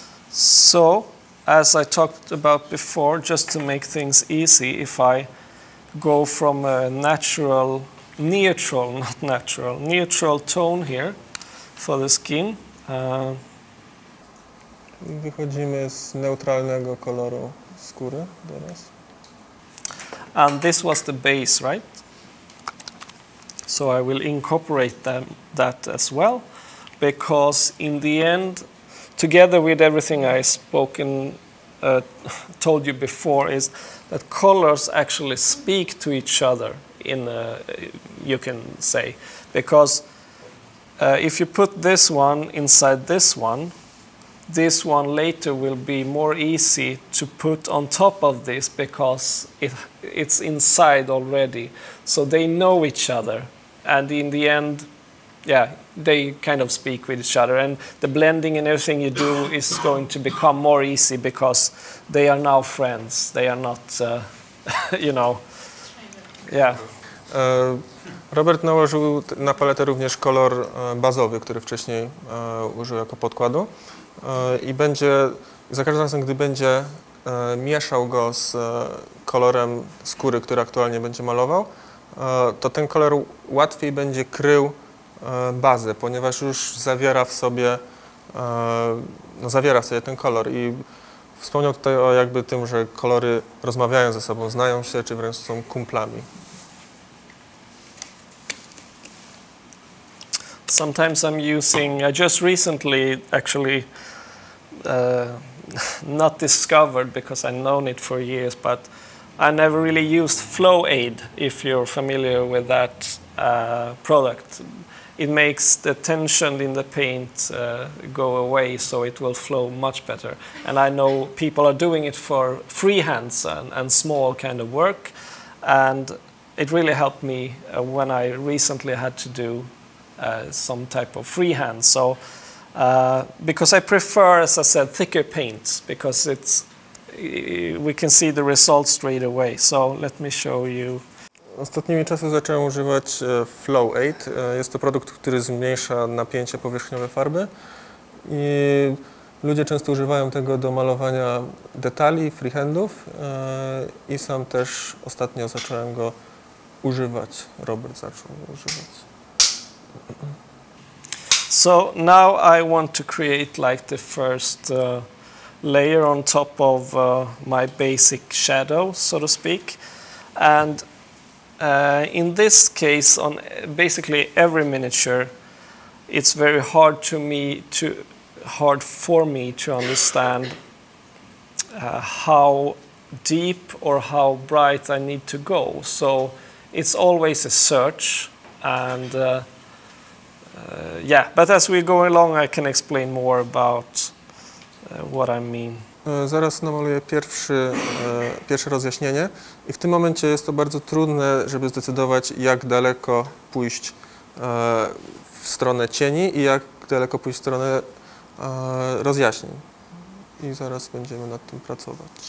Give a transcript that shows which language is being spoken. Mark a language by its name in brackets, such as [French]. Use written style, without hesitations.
[English] So, as I talked about before, just to make things easy, if I go from a natural, neutral, not natural, neutral tone here for the skin. [Polish] Wychodzimy z neutralnego koloru skóry teraz. [English] And this was the base, right? So I will incorporate that as well, because in the end, together with everything I spoken told you before, is that colors actually speak to each other, in you can say, because if you put this one inside this one later will be more easy to put on top of this, because it's inside already, so they know each other. And in the end, yeah, they kind of speak with each other. And the blending and everything you do is going to become more easy, because they are now friends. They are not, you know, yeah. [Polish] Robert nałożył na paletę również kolor bazowy, który wcześniej użył jako podkładu. I będzie, za każdym razem, gdy będzie mieszał go z kolorem skóry, który aktualnie będzie malował, to ten kolor łatwiej będzie krył bazę, ponieważ już zawiera w sobie ten kolor. I wspomniał tutaj o jakby tym, że kolory rozmawiają ze sobą, znają się, czy wręcz są kumplami. [English] Sometimes I'm using, I just recently actually not discovered, because I've known it for years, but I never really used Flow Aid, if you're familiar with that product. It makes the tension in the paint go away, so it will flow much better. And I know people are doing it for freehands and small kind of work, and it really helped me when I recently had to do some type of freehand. So, because I prefer, as I said, thicker paints, because it's we can see the results straight away. So let me show you. [Polish] Ostatnimi czasy zacząłem używać Flow Aid. Jest to produkt, który zmniejsza napięcie powierzchniowe farby. I ludzie często używają tego do malowania detali, freehandów. I sam też ostatnio zacząłem go używać. Robert zaczął go używać. [English] So now I want to create like the first layer on top of my basic shadow, so to speak. And In this case, on basically every miniature, it's very hard to me to hard for me to understand how deep or how bright I need to go. So it's always a search, and yeah. But as we go along, I can explain more about what I mean. [Polish] Zaraz namaluję pierwsze rozjaśnienie. I w tym momencie jest to bardzo trudne, żeby zdecydować, jak daleko pójść w stronę cieni i jak daleko pójść w stronę rozjaśnień. I zaraz będziemy nad tym pracować.